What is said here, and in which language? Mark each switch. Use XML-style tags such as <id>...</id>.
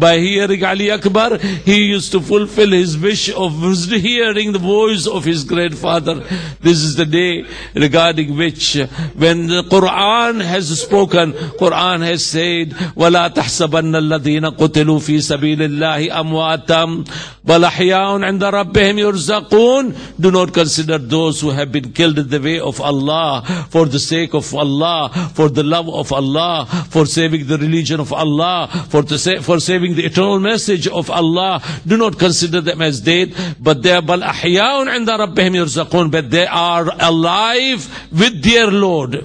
<en>By hearing Ali Akbar he used to fulfill his wish of hearing the voice of his grandfather. This is the day regarding which when the Quran has spoken, Quran has said,</en> <ar>"Wala tahsabanna alladhina qutilu fi sabilillahi amwatam بل احياء عند ربهم يرزقون.</ar> <en>Do not consider those who have been killed in the way of Allah, for the sake of Allah, for the love of Allah, for saving the religion of Allah, for saving the eternal message of Allah. Do not consider them as dead, but they are</en> <ar>بل احياء عند ربهم يرزقون,</ar> <en>but they are alive with their Lord.</en>